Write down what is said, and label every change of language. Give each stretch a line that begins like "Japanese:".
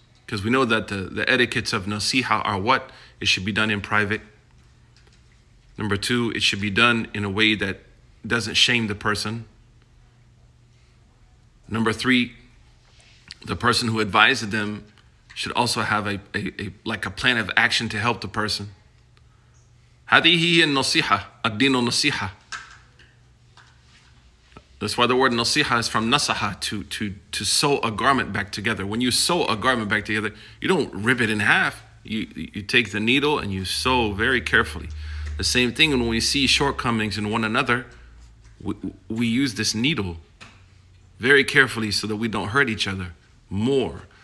English: Because we know that the etiquettes of nasiha are what? It should be done in private. Number two, it should be done in a way that doesn't shame the person. Number three, the person who advised them should also have a plan of action to help the person.
Arabic: هذه هي النصيحة, الدين النصيحة.
English: That's why the word nasiha is from nasaha, to sew a garment back together. When you sew a garment back together, you don't rip it in half. You take the needle and you sew very carefully. The same thing, when we see shortcomings in one another, we use this needle very carefully so that we don't hurt each other more.